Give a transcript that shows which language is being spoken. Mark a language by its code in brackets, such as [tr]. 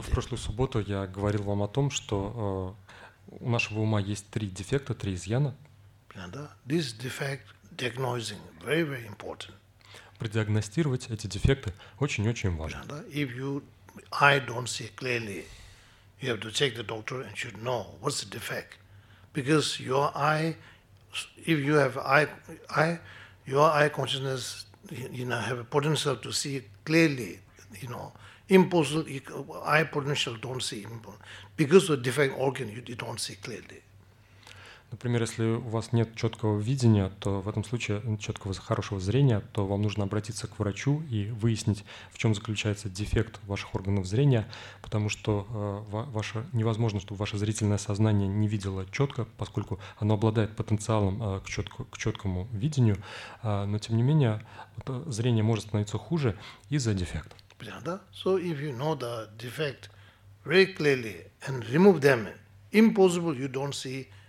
[ru] В прошлую субботу я говорил вам о том, что у нашего ума есть три дефекта, три изъяна. [en] This defect diagnosing very very important. [ru] Продиагностировать эти дефекты очень-очень важно. [en] If your eye don't see clearly, you have to check the doctor and should know what's the defect. because your eye, if you have eye, your eye consciousness, you know, have a potential to see clearly, you know, impulsive eye potential don't see impulse. Because of defect organ, you don't see clearly. [ru] Например, если у вас нет четкого видения, то в этом случае четкого хорошего зрения, то вам нужно обратиться к врачу и выяснить, в чем заключается дефект ваших органов зрения, потому что ваше невозможно, чтобы ваше зрительное сознание не видело четко, поскольку оно обладает потенциалом к четкому видению, но тем не менее вот зрение может становиться хуже из-за дефекта. Понятно, да? [en] So if you know the defect very clearly and remove them, impossible you don't see.